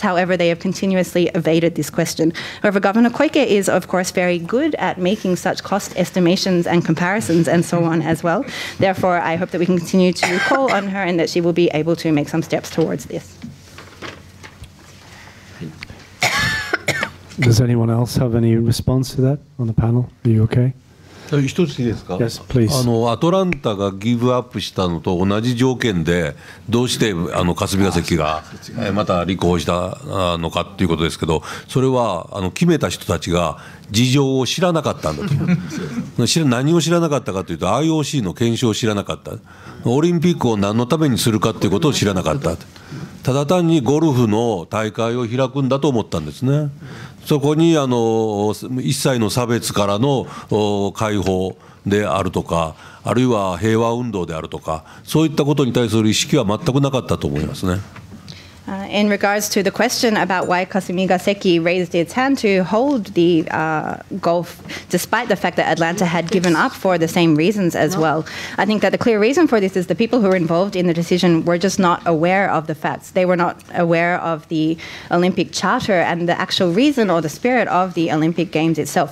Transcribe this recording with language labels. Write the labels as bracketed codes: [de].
[en] However, they have continuously evaded this question. However, Governor Koike is, of course, very good at making such cost estimations and comparisons and so on as well. Therefore, I hope that we can continue to call on her and that she will be able to make some steps towards this. Does anyone else have any response to that on the panel? Are you okay? [ja] 一ついいですか。 [en] Yes, please. [ja] アトランタがギブアップしたのと同じ条件でどうして霞が関がまた立候補したのかということですけど、それは決めた人たちが事情を知らなかったんだと思う。何を知らなかったかというと IOC の検証を知らなかった、オリンピックを何のためにするかということを知らなかった、ただ単にゴルフの大会を開くんだと思ったんですね。そこに一切の差別からの解放であるとか、あるいは平和運動であるとか、そういったことに対する意識は全くなかったと思いますね。 [en] In regards to the question about why Kasumigaseki raised its hand to hold the golf, despite the fact that Atlanta had given up for the same reasons as well, I think that the clear reason for this is the people who were involved in the decision were just not aware of the facts. They were not aware of the Olympic Charter and the actual reason or the spirit of the Olympic Games itself.